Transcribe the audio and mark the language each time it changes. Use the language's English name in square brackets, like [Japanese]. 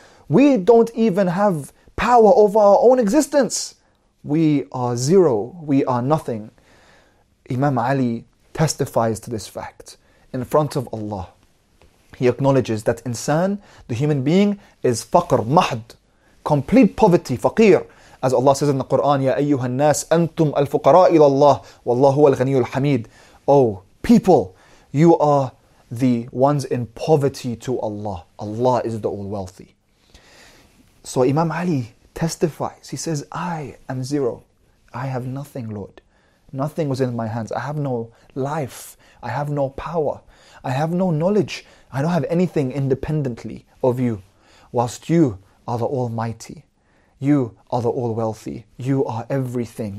[English] We don't even have power over our own existence. We are zero. We are nothing. Imam Ali testifies to this fact in front of Allah. He acknowledges that insan, the human being, is faqr, mahd, complete poverty, faqir. [Arabic] As Allah says in the Quran, يَا أَيُّهَا النَّاسِ أَنْتُمْ الْفُقَرَاءِ إِلَى اللَّهِ وَاللَّهُ هُوَ الْغَنِيُّ الْحَمِيدِ. [English] Oh, people, you are the ones in poverty to Allah. Allah is the all wealthy. So Imam Ali testifies, he says, I am zero, I have nothing, Lord. Nothing was in my hands. I have no life, I have no power, I have no knowledge, I don't have anything independently of you, whilst you are the Almighty, you are the All-Wealthy, you are everything.